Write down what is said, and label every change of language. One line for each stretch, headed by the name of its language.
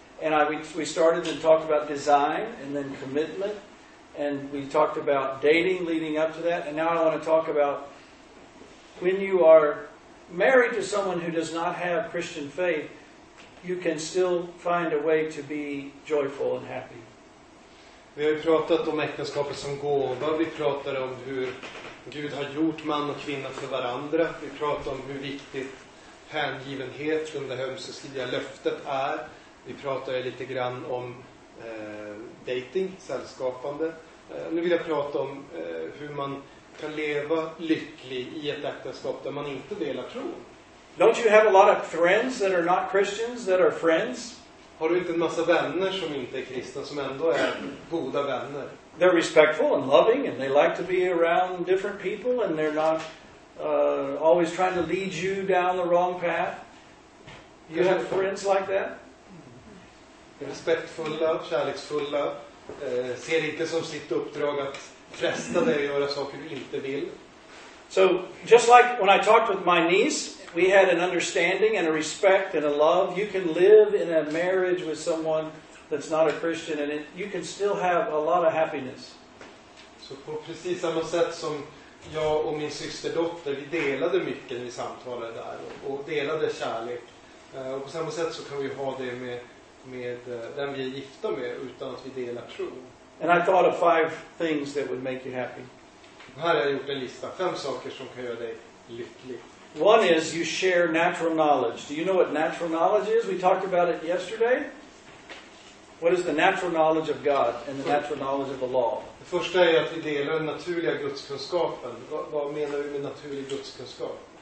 English: And we started and talked about design and then commitment, and we talked about dating leading up to that. And now I want to talk about when you are married to someone who does not have Christian faith, you can still find a way to be joyful and happy.
Swedish: Vi har pratat om äktenskapet som gåva. Vi pratar om hur Gud har gjort man och kvinna för varandra. Vi pratar om hur viktigt hängivenhet från det ömsesidiga löftet är. Vi pratar lite grann om dating, sällskapande. Nu vill jag prata om hur man kan leva lycklig i ett äktenskap där man inte delar tro.
English: Don't you have a lot of friends that are not Christians that are friends?
Swedish: Har du inte en massa vänner som inte är kristna som ändå är goda vänner?
English: They're respectful and loving and they like to be around different people and they're not always trying to lead you down the wrong path. You have friends like that?
Swedish: Respektfulla, kärleksfulla, ser inte som sitt uppdrag att fresta dig och göra saker du inte vill.
English: So, just like when I talked with my niece, we had an understanding and a respect and a love. You can live in a marriage with someone that's not a Christian and you can still have a lot of happiness.
Swedish: Så på precis samma sätt som jag och min systerdotter, vi delade mycket när vi samtalade där och delade kärlek. Och på samma sätt så kan vi ha det med den vi är gifta med utan att vi delar tro.
English: And I thought of 5 things that would make you happy.
Swedish: Här har jag gjort en lista. 5 saker som kan göra dig lycklig.
English: One is you share natural knowledge. Do you know what natural knowledge is? We talked about it yesterday. What is the natural knowledge of God and the natural knowledge of the law?
Swedish: Det första är att vi delar den naturliga gudskunskapen. Vad menar vi med naturlig gudskunskap?